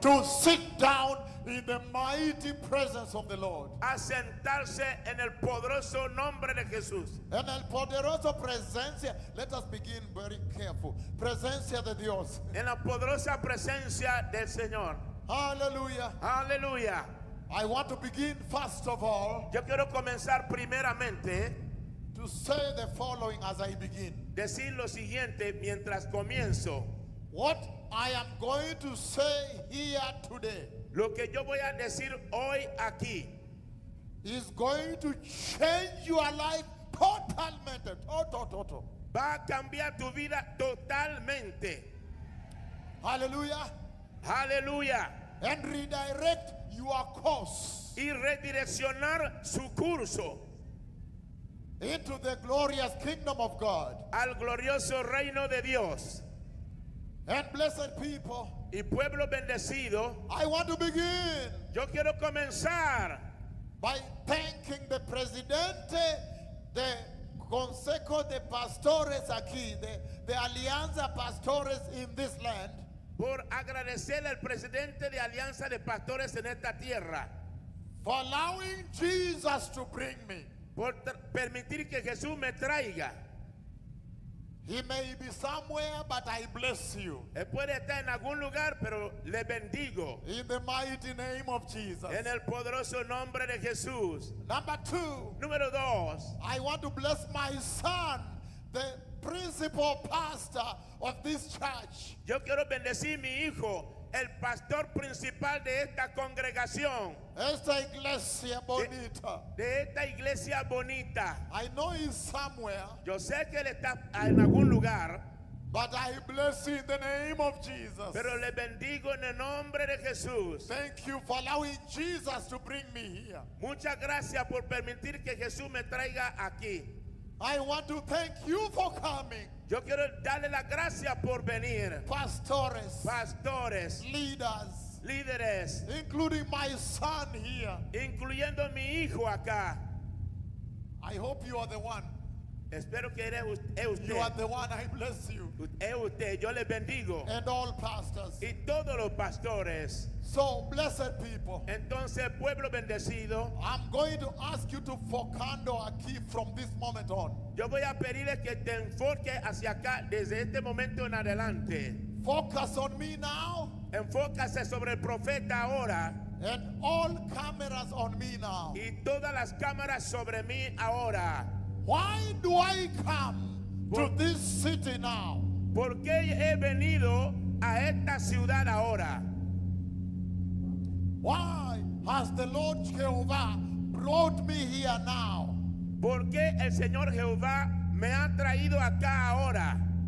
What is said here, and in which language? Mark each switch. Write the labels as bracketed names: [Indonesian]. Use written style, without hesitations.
[English] to sit down in the mighty presence of the Lord. [Spanish] A sentarse en el poderoso nombre de Jesús. En el poderoso presencia. [English] Let us begin very careful. [Spanish] Presencia de Dios. En la poderosa presencia del Señor. Hallelujah. Hallelujah. [English] I want to begin first of all. [Spanish] Yo quiero comenzar primeramente. [English] to say the following as I begin. [Spanish] Decir lo siguiente mientras comienzo. [English] What I am going to say here today. [Spanish] Lo que yo voy a decir hoy aquí. [English] Is going to change your life totalmente. Total. [Spanish] Va a cambiar tu vida totalmente. Hallelujah. Hallelujah. [English] And redirect your course. [Spanish] Y redireccionar su curso. [English] Into the glorious kingdom of God. [Spanish] Al glorioso reino de Dios. [English] And blessed people. [Spanish] Y pueblo bendecido. [English] I want to begin. [Spanish] Yo quiero comenzar. [English] By thanking the presidente, the [Spanish] consejo de pastores aquí, [English] the alianza pastores in this land. [Spanish] Por agradecerle al presidente de alianza de pastores en esta tierra. [English] For allowing Jesus to bring me. [Spanish] Por permitir que Jesús me traiga. [English] He may be somewhere, but I bless you. [Spanish] Él puede estar en algún lugar, pero le bendigo. [English] In the mighty name of Jesus. [Spanish] En el poderoso nombre de Jesús. [English] Number two. [Spanish] Número dos. [English] I want to bless my son, the principal pastor of this church. [Spanish] Yo quiero bendecir mi hijo, el pastor principal de esta congregación. Esta iglesia bonita. De esta iglesia bonita. [English] I know he's somewhere. [Spanish] Yo sé que él está en algún lugar. [English] But I bless you in the name of Jesus. [Spanish] Pero le bendigo en el nombre de Jesús. [English] Thank you for allowing Jesus to bring me here. [Spanish] Muchas gracias por permitir que Jesús me traiga aquí. [English] I want to thank you for coming. [Spanish] Yo quiero darle la gracia por venir. Pastores. Pastores. [English] Leaders. [Spanish] Líderes, [English] including my son here, [Spanish] incluyendo mi hijo acá. [English] I hope you are the one. [Spanish] Espero que eres usted. [English] You are the one. I bless you. [Spanish] Es usted. Yo le bendigo. [English] And all pastors. [Spanish] Y todos los pastores. [English] So blessed people. [Spanish] Entonces pueblo bendecido. [English] I'm going to ask you to [Spanish] focando aquí [English] from this moment on. [Spanish] Yo voy a pedirle que te enfoque hacia acá desde este momento en adelante. [English] Focus on me now. [Spanish] Enfócase sobre el profeta ahora. [English] And all cameras on me now. [Spanish] Y todas las cámaras sobre mí ahora. [English] Why do I come to this city now? [Spanish] ¿Por qué he venido a esta ciudad ahora? [English] Why has the Lord Jehovah brought me here now? [Spanish] ¿Por qué el Señor Jehová me ha traído acá ahora?